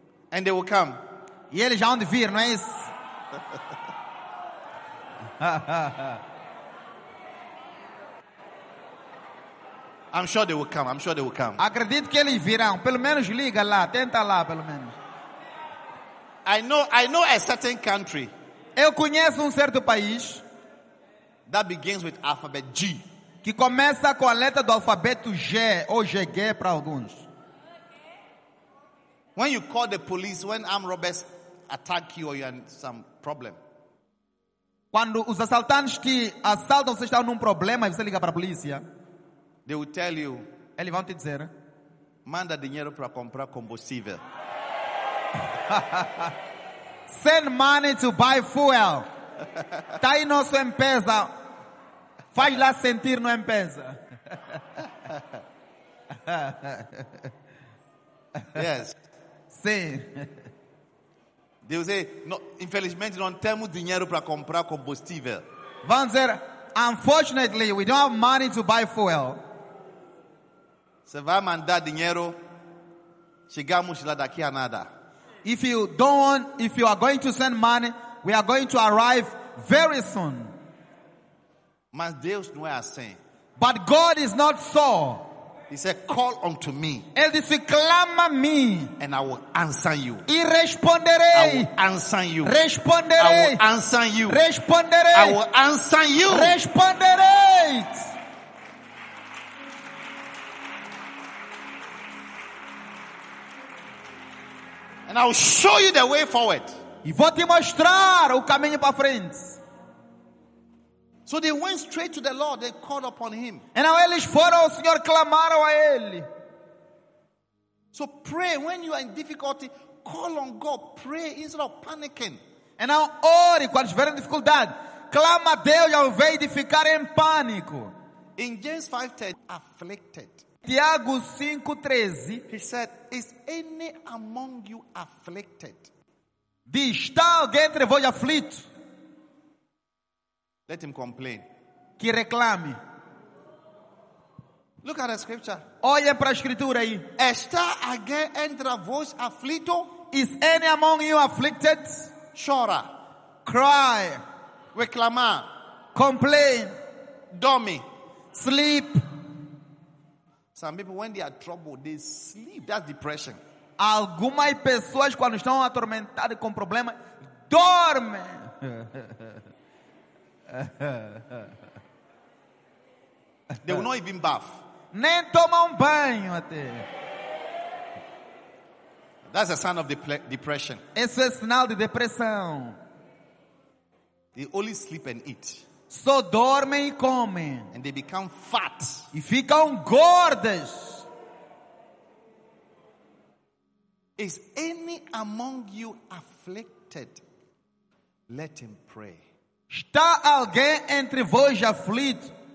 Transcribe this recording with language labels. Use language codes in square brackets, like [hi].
[en] And they will come. [pt] E eles já vão de vir, não é isso? [en] I'm sure they will come. I'm sure they will come. [pt] Acredito que eles virão. Pelo menos liga lá, tenta lá pelo menos. [en] I know a certain country. [pt] Eu conheço certo país. [en] That begins with alphabet G. [pt] Que começa com a letra do alfabeto G ou GG para alguns. [en] When you call the police, when armed robbers attack you or you have some problem. [pt] Quando os assaltantes que assaltam você estão num problema e você liga para a polícia, [en] they will tell you, [pt] eles vão te dizer, manda dinheiro para comprar combustível. [en] Send money to buy fuel. [pt] Está aí nosso empresa. Faz lá sentir no empresa. [en] Yes. [pt] Sim. [en] They will say, no, [pt] infelizmente, não temos dinheiro para comprar combustível. Vão dizer, [en] unfortunately, we don't have money to buy fuel. [pt] Se vai mandar dinheiro, chegamos lá daqui a nada. [en] If you don't want, if you are going to send money, we are going to arrive very soon. [pt] Mas Deus não é assim. [en] But God is not so. He said, call unto me. [pt] Ele disse, clama-me. [en] And I will answer you. [pt] E responderei. [en] I will answer you. [pt] Responderei. [en] I will answer you. [pt] Responderei. [en] I will answer you. [pt] Responderei. [en] And I will show you the way forward. [pt] E vou te mostrar o caminho para frente. [en] So they went straight to the Lord. They called upon him. And now [pt] eles foram ao Senhor, clamaram a ele. [en] So pray when you are in difficulty. Call on God. Pray instead of panicking. And now [pt] ore quando estiver em dificuldade. Clama a Deus ao invés de ficar em pânico. [en] In James 5:13, afflicted. [pt] Tiago 5:13. [en] He said, is any among you afflicted? [pt] Diz, está alguém entre vós aflito? [en] Let him complain. [pt] Que reclame. [en] Look at the scripture. [pt] Olha para a escritura aí. Está alguém entre vós aflito? [en] Is any among you afflicted? [pt] Chora. [en] Cry. [pt] Reclamar. [en] Complain. [pt] Dorme. [en] Sleep. Some people when they are troubled, they sleep. That's depression. [pt] Algumas pessoas quando estão atormentadas com problemas, dormem. [en] They will not even bath. [pt] Nem toma banho até. [en] That's a sign of depression. [pt] Esse é sinal de depressão. [en] They only sleep and eat. [pt] Só dormem e comem. [en] And they become fat. [pt] E ficam gordas. [en] Is any among you afflicted? Let him pray. [pt] Está alguém entre vós aflito?